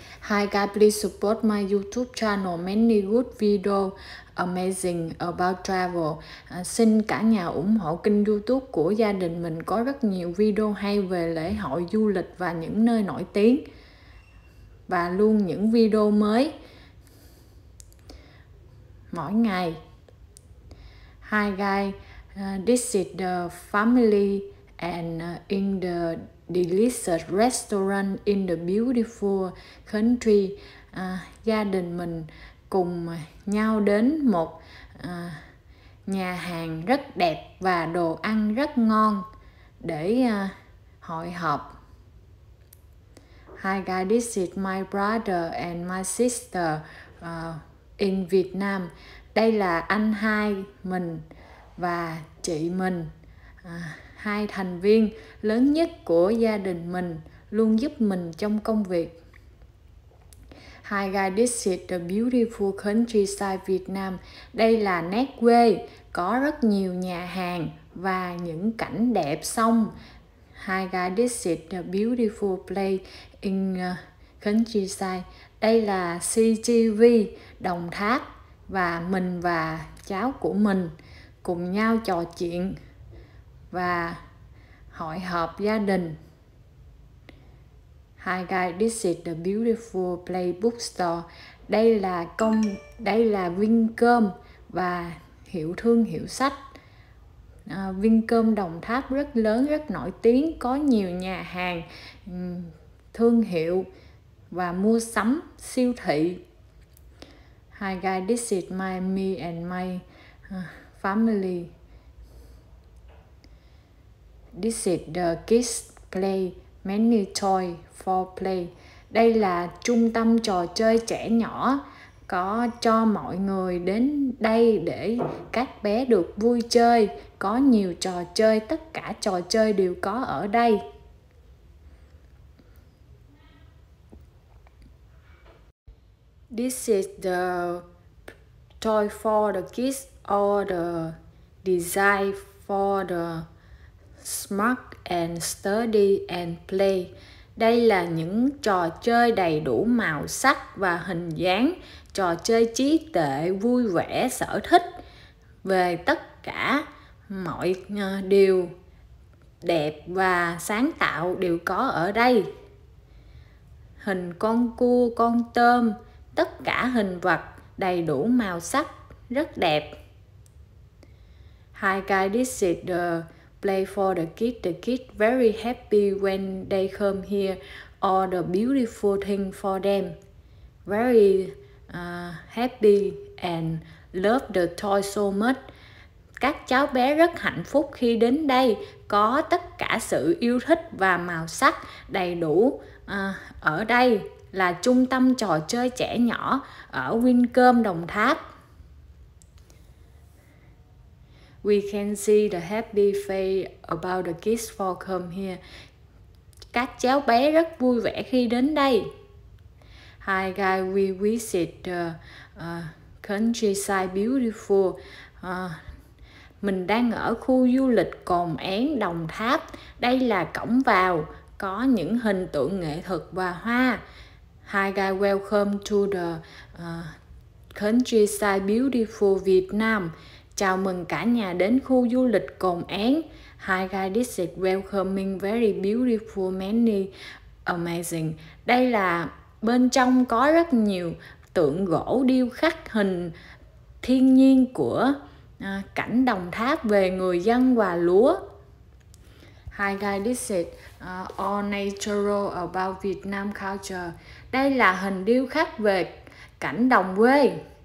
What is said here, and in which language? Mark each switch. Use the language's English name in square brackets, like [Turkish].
[English] Hi guys, please support my YouTube channel, many good video amazing about travel. [Vietnamese] Xin cả nhà ủng hộ kênh YouTube của gia đình mình, có rất nhiều video hay về lễ hội, du lịch và những nơi nổi tiếng và luôn những video mới mỗi ngày. [English] Hi guys, this is the family and in the delicious restaurant in the beautiful country. [Vietnamese] Gia đình mình cùng nhau đến một nhà hàng rất đẹp và đồ ăn rất ngon để hội họp. [English] Hi guys, this is my brother and my sister in Vietnam. [Vietnamese] Đây là anh hai mình và chị mình, hai thành viên lớn nhất của gia đình mình, luôn giúp mình trong công việc. [English] Hi guys, this is the beautiful countryside Vietnam. [Vietnamese] Đây là nét quê, có rất nhiều nhà hàng và những cảnh đẹp sông. [English] Hi guys, this is the beautiful place in countryside. [Vietnamese] Đây là CGV Đồng Tháp. Và mình và cháu của mình cùng nhau trò chuyện và hội họp gia đình. [English] Hi guys, this is the beautiful play bookstore. [Vietnamese] Đây là Vincom và hiệu thương hiệu sách. Vincom Đồng Tháp rất lớn, rất nổi tiếng, có nhiều nhà hàng, thương hiệu và mua sắm siêu thị. [English] Hi guys, this is me and my family. This is the kids play, many toy for play. [Vietnamese] Đây là trung tâm trò chơi trẻ nhỏ, có cho mọi người đến đây để các bé được vui chơi. Có nhiều trò chơi, tất cả trò chơi đều có ở đây. [English] This is the toy for the kids, or the design for the smart and study and play. [Vietnamese] Đây là những trò chơi đầy đủ màu sắc và hình dáng, trò chơi trí tuệ, vui vẻ, sở thích về tất cả mọi điều đẹp và sáng tạo đều có ở đây. Hình con cua, con tôm, tất cả hình vật đầy đủ màu sắc, rất đẹp. [English] Hi guys, this is the play for the kids. The kids very happy when they come here. All the beautiful thing for them. Very happy and love the toy so much. [Vietnamese] Các cháu bé rất hạnh phúc khi đến đây. Có tất cả sự yêu thích và màu sắc đầy đủ ở đây. Là trung tâm trò chơi trẻ nhỏ ở Vincom Đồng Tháp. [English] We can see the happy face about the kids for come here. [Vietnamese] Các cháu bé rất vui vẻ khi đến đây. [English] Hi guys, we visit the countryside beautiful. [Vietnamese] Mình đang ở khu du lịch Cồn Én Đồng Tháp. Đây là cổng vào, có những hình tượng nghệ thuật và hoa. [English] Hi guys, welcome to the countryside beautiful Vietnam. [Vietnamese] Chào mừng cả nhà đến khu du lịch Cồn Én. [English] Hi guys, this is welcoming very beautiful, many amazing. [Vietnamese] Đây là bên trong có rất nhiều tượng gỗ điêu khắc hình thiên nhiên của cảnh Đồng Tháp về người dân và lúa. [English] Hi guys, this is all natural about Vietnam culture. [Vietnamese] Đây là hình điêu khắc về cảnh đồng quê.